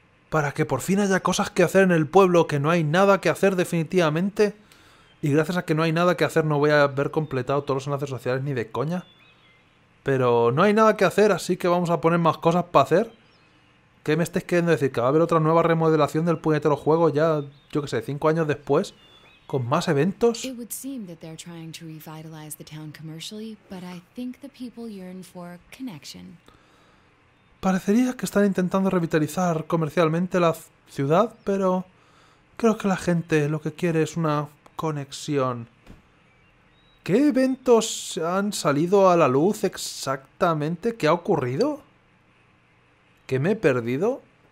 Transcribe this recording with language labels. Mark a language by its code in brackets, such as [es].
[es] Para que por fin haya cosas que hacer en el pueblo, que no hay nada que hacer definitivamente. Y gracias a que no hay nada que hacer no voy a haber completado todos los enlaces sociales ni de coña. Pero no hay nada que hacer, así que vamos a poner más cosas para hacer. ¿Qué me estáis queriendo decir? ¿Que va a haber otra nueva remodelación del puñetero juego ya, yo qué sé, 5 años después? ¿Con más eventos? [en] It would seem that they're trying to revitalize the town commercially, but I think the people yearn for connection. [es] Parecería que están intentando revitalizar comercialmente la ciudad, pero creo que la gente lo que quiere es una conexión. ¿Qué eventos han salido a la luz exactamente? ¿Qué ha ocurrido? ¿Qué me he perdido?